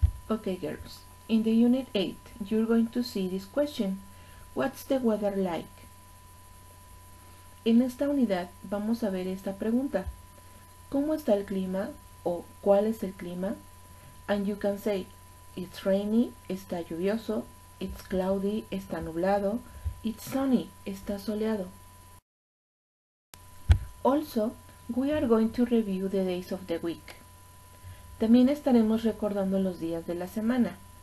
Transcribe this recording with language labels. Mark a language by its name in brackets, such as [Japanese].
[English] Okay, girls, in the unit 8, you're going to see this question. What's the weather like? [Spanish] En esta unidad vamos a ver esta pregunta. ¿Cómo está el clima? O ¿cuál es el clima? [English] And you can say, it's rainy, [Spanish] está lluvioso. [English] It's cloudy, [Spanish] está nublado. [English] It's sunny, [Spanish] está soleado. [English] Also, we are going to review the days of the week. [Spanish] También estaremos recordando los días de la semana.